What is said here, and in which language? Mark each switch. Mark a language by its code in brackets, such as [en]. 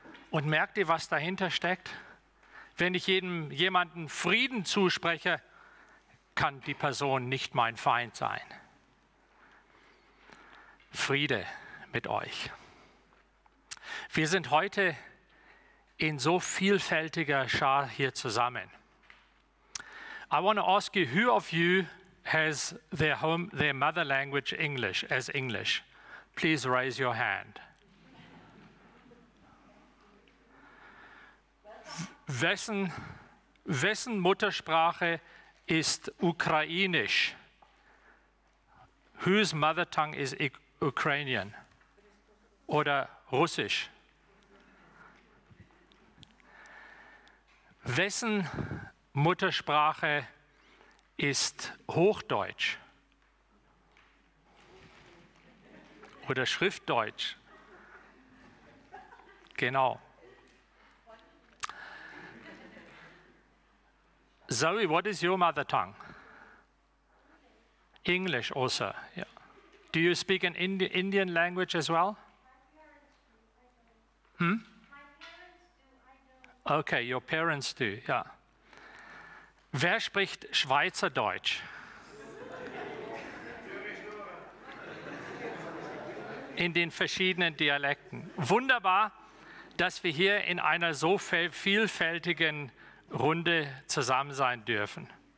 [de] Und merkt ihr, was dahinter steckt? Wenn ich jemandem Frieden zuspreche, kann die Person nicht mein Feind sein. Friede mit euch. Wir sind heute in so vielfältiger Schar hier zusammen. [en] I want to ask you, who of you has their mother language English as English? Please raise your hand. [de] Wessen Muttersprache ist Ukrainisch? [en] Whose mother tongue is Ukrainian? [de] Oder Russisch? Wessen Muttersprache ist Hochdeutsch? Oder Schriftdeutsch? Genau. [en] Zoe, what is your mother tongue? English also. Yeah. Do you speak an Indian language as well? My parents do. Okay, your parents do, yeah. [de] Wer spricht Schweizerdeutsch? In den verschiedenen Dialekten. Wunderbar, dass wir hier in einer so vielfältigen Runde zusammen sein dürfen.